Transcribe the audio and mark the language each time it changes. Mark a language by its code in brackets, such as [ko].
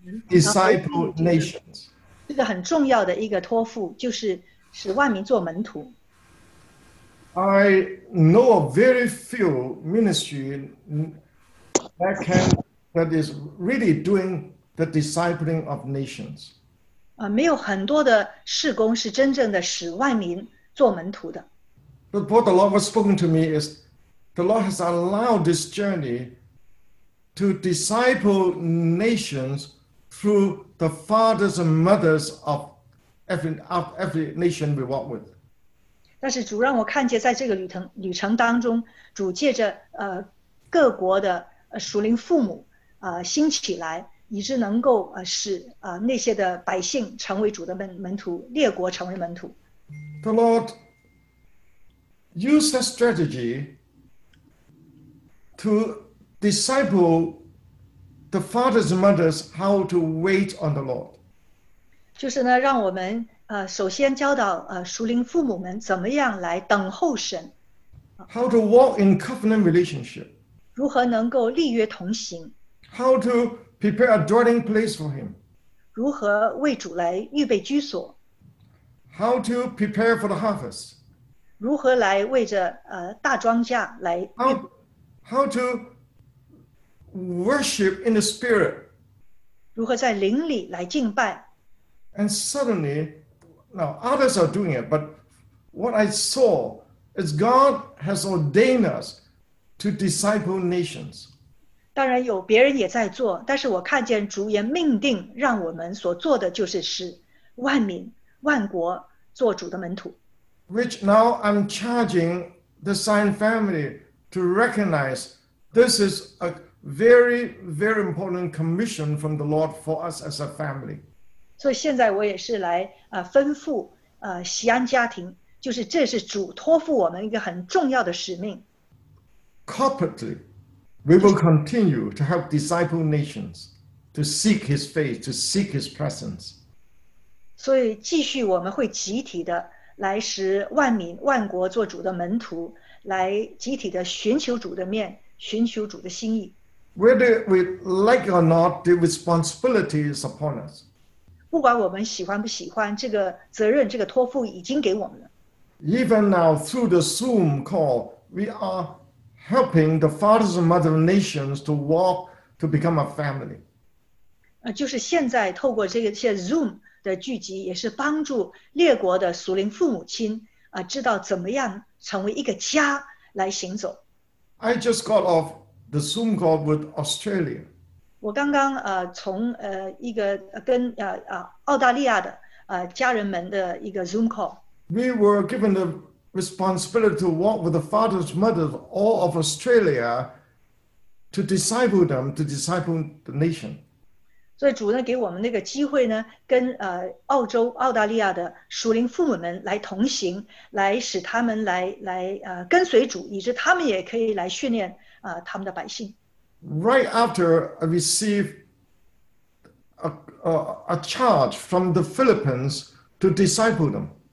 [en] disciple nations. This is a very important commission, is to make disciples. I know of very few ministries that is really doing the discipling of nations. [zh] 没有很多的事工是真正的使万民做门徒的。 [en] But what the Lord has spoken to me is, the Lord has allowed this journey to disciple nations through the fathers and mothers of every nation we walk with. [zh] 但是主让我看见在这个旅程当中，主借着各国的属灵父母兴起来，以致能够使那些的百姓成为主的门徒，列国成为门徒。 [en] The Lord used a strategy to disciple the fathers and mothers how to wait on the Lord. [zh] 就是呢，让我们首先教导属灵父母们怎么样来等候神。 [en] How to walk in covenant relationship. [zh] 如何能够立约同行。 [en] How to prepare a dwelling place for him. [zh] 如何为主来预备居所。 [en] How to prepare for the harvest. [zh] 如何来为着大庄稼来。 [en] How to worship in the spirit. [zh] 如何在灵里来敬拜。 [en] And suddenly, now others are doing it, but what I saw is God has ordained us to disciple nations. [zh] 当然有别人也在做，但是我看见主也命定让我们所做的就是使万民万国做主的门徒。 [en] Which now I'm charging the Sign family to recognize this is a very, very important commission from the Lord for us as a family. [zh] 所以现在我也是来吩咐西安家庭，就是这是主托付我们一个很重要的使命。 [en] Corporately, we will continue to help disciple nations to seek his face, to seek his presence. [zh] 所以继续我们会集体的来使万民万国做主的门徒，来集体的寻求主的面，寻求主的心意。 [en] Whether we like or not, the responsibility is upon us. [zh] 不管我们喜欢不喜欢，这个责任，这个托付已经给我们了。 [en] Even now, through the Zoom call, we are helping the fathers and mothers of nations to walk to become a family. [zh] 就是现在透过这些 Zoom 的聚集，也是帮助列国的属灵父母亲知道怎么样成为一个家来行走。 [en] I just got off the Zoom call with Australia. [zh] 我刚刚从一个跟澳大利亚的家人们的一个 Zoom call. [en] We were given the responsibility to walk with the fathers, mothers, all of Australia, to disciple them, to disciple the nation. [zh] 所以主呢给我们那个机会呢，跟澳洲澳大利亚的属灵父母们来同行，来使他们来跟随主，以致他们也可以来训练他们的百姓。 [en] Right after I received a charge from the Philippines to disciple them.